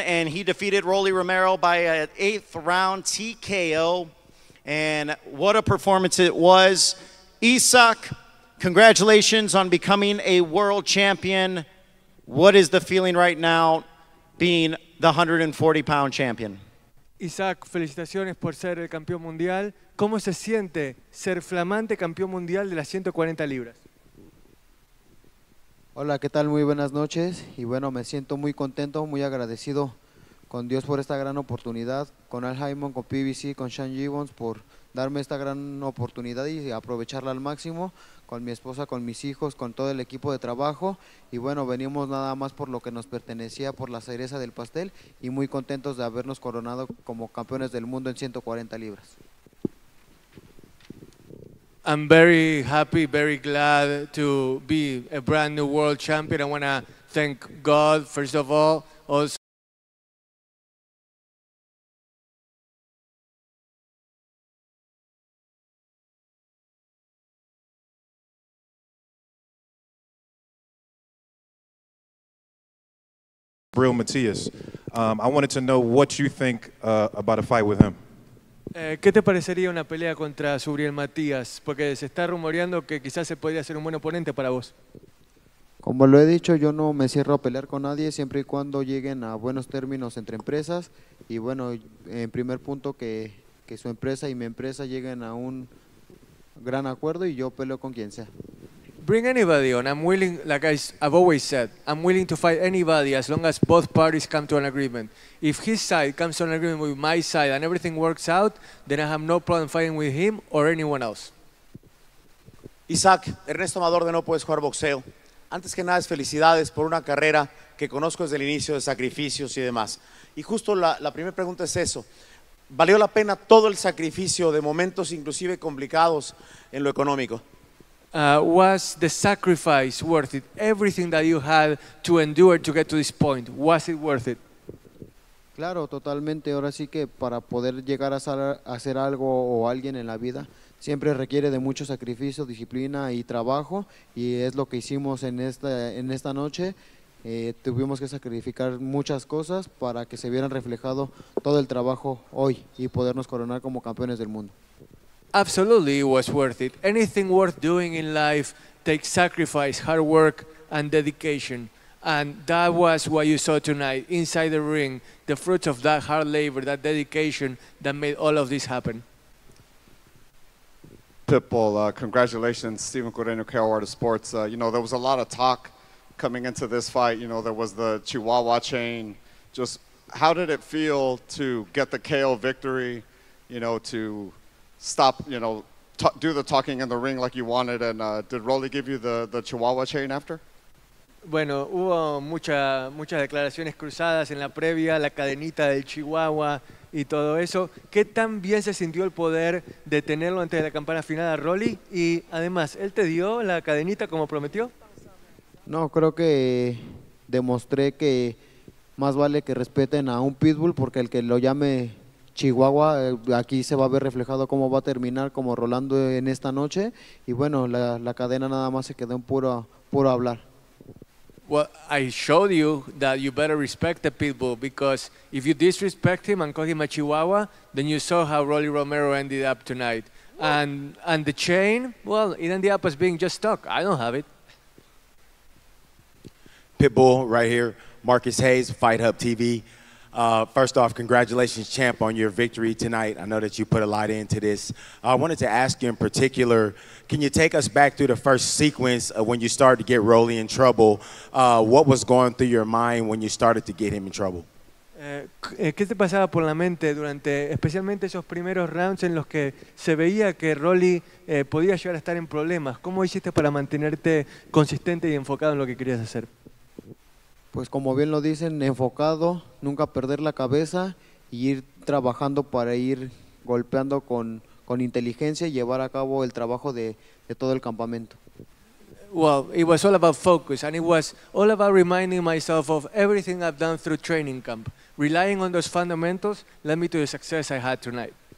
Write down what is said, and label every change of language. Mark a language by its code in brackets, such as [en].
[en] And he defeated Rolly Romero by an eighth round TKO. And what a performance it was. Isaac, congratulations on becoming a world champion. What is the feeling right now being the 140-pound champion? [es] Isaac, felicitaciones por ser el campeón mundial. ¿Cómo se siente ser flamante campeón mundial de las 140 libras? Hola, ¿qué tal? Muy buenas noches. Y bueno, me siento muy contento, muy agradecido con Dios por esta gran oportunidad, con Al Haymon, con PBC, con Sean Gibbons, por darme esta gran oportunidad y aprovecharla al máximo, con mi esposa, con mis hijos, con todo el equipo de trabajo. Y bueno, venimos nada más por lo que nos pertenecía, por la cereza del pastel, y muy contentos de habernos coronado como campeones del mundo en 140 libras. [en] I'm very happy, very glad to be a brand new world champion. I want to thank God, first of all, also. Real Matias, I wanted to know what you think about a fight with him. [es] ¿Qué te parecería una pelea contra Subriel Matías? Porque se está rumoreando que quizás se podría ser un buen oponente para vos. Como lo he dicho, yo no me cierro a pelear con nadie siempre y cuando lleguen a buenos términos entre empresas. Y bueno, en primer punto que su empresa y mi empresa lleguen a un gran acuerdo y yo peleo con quien sea. [en] Bring anybody on. I'm willing, like I've always said, I'm willing to fight anybody as long as both parties come to an agreement. If his side comes to an agreement with my side and everything works out, then I have no problem fighting with him or anyone else. [es] Isaac, Ernesto Amador de No Puedes Jugar Boxeo. Antes que nada, es felicidades por una carrera que conozco desde el inicio de sacrificios y demás. Y justo la primera pregunta es eso. ¿Valió la pena todo el sacrificio de momentos inclusive complicados en lo económico? [en] Was the sacrifice worth it? Everything that you had to endure to get to this point, was it worth it? [es] Claro, totalmente. Ahora sí que para poder llegar a hacer algo o alguien en la vida, siempre requiere de mucho sacrificio, disciplina y trabajo. Y es lo que hicimos en esta noche. Tuvimos que sacrificar muchas cosas para que se vieran reflejado todo el trabajo hoy y podernos coronar como campeones del mundo. [en] Absolutely, it was worth it. Anything worth doing in life takes sacrifice, hard work, and dedication. And that was what you saw tonight inside the ring, the fruits of that hard labor, that dedication that made all of this happen. Pitbull, congratulations, Stephen Cordeno, KORD Sports. You know, there was a lot of talk coming into this fight. You know, there was the Chihuahua chain. Just how did it feel to get the KO victory, you know, to stop, you know, do the talking in the ring like you wanted, and did Rolly give you the Chihuahua chain after? [es] Bueno, hubo muchas declaraciones cruzadas en la previa, la cadenita del Chihuahua y todo eso. ¿Qué tan bien se sintió el poder de tenerlo antes de la campana final a Rolly? Y además, ¿él te dio la cadenita como prometió? No, creo que demostré que más vale que respeten a un pitbull, porque el que lo llame Chihuahua, aquí se va a ver reflejado cómo va a terminar como Rolando en esta noche. Y bueno, la cadena nada más se quedó en puro hablar. [en] Well, I showed you that you better respect the pitbull, because if you disrespect him and call him a Chihuahua, then you saw how Rolly Romero ended up tonight. And the chain, well, it ended up as being just talk. I don't have it. Pitbull right here, Marcus Hayes, Fight Hub TV. First off, congratulations, champ, on your victory tonight. I know that you put a lot into this. I wanted to ask you in particular, can you take us back through the first sequence of when you started to get Rolly in trouble? What was going through your mind when you started to get him in trouble? [es] ¿Qué te pasaba por la mente durante especialmente esos primeros rounds en los que se veía que Rolly podía llegar a estar en problemas? ¿Cómo hiciste para mantenerte consistente y enfocado en lo que querías hacer? Pues como bien lo dicen, enfocado, nunca perder la cabeza y ir trabajando para ir golpeando con inteligencia y llevar a cabo el trabajo de todo el campamento. [en] Well, it was all about focus, and it was all about reminding myself of everything I've done through training camp. Relying on those fundamentals led me to the success I had tonight.